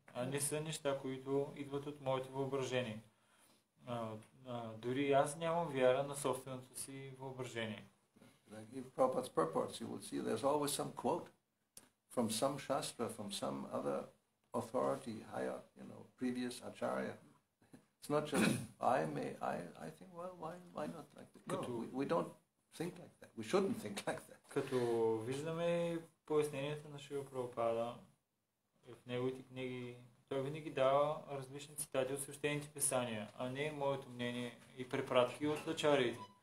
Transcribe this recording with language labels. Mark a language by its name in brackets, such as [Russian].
[Bulgarian] А не са неща, които идват от моето въображение. Дори аз нямам вяра на собственото си въображение. [English] give Prabhupada's purports, you will see there's always some quote from some shastra, from some other authority, higher, you know, previous acharya. It's not just I think. Well, why not like that? No, we don't think like that. We shouldn't think like that. [Bulgarian] Като виждаме поясненията на Шрила Прабхупада в неговите книги, той винаги дава различни цитати от свещените писания, а не моето мнение и препратки от ачариите.